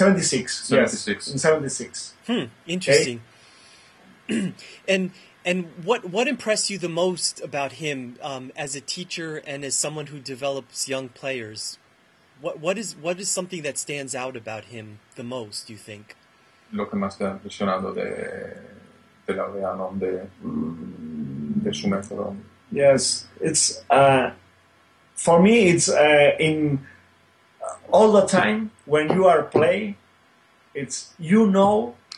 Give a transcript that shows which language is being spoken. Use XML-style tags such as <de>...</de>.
<en>76. Interesting. Okay? And what impressed you the most about him as a teacher and as someone who develops young players? What is something that stands out about him the most, you think?</en> <es>Lo que más te ha impresionado de Laureano, de su método.</es> <en>Yes, it's for me it's in all the time when you are playing, it's you know.</en>